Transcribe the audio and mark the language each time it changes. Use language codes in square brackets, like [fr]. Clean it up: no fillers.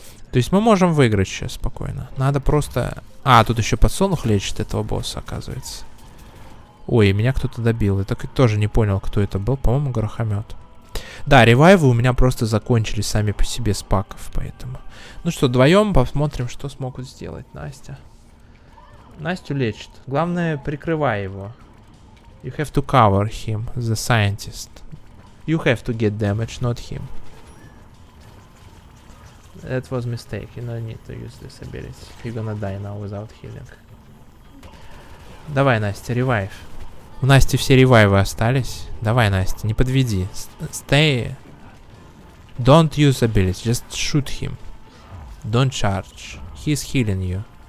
[ru] То есть мы можем выиграть сейчас спокойно. Надо просто... А, тут еще подсолнух лечит этого босса, оказывается. Ой, меня кто-то добил. Я так и тоже не понял, кто это был. По-моему, горохомет. Да, ревайвы у меня просто закончились сами по себе с паков, поэтому... Ну что, вдвоем посмотрим, что смогут сделать Настя. Настю лечит. Главное, прикрывай его. [en] You have to cover him, the scientist. You have to get damage, not him. That was mistake. You don't need to use this ability. You're gonna die now without healing. [ru] Давай, Настя, ревайв. У Насти все ревайвы остались. Давай, Настя, не подведи. [en] Stay. Don't use ability. Just shoot him. Don't charge. He's healing you.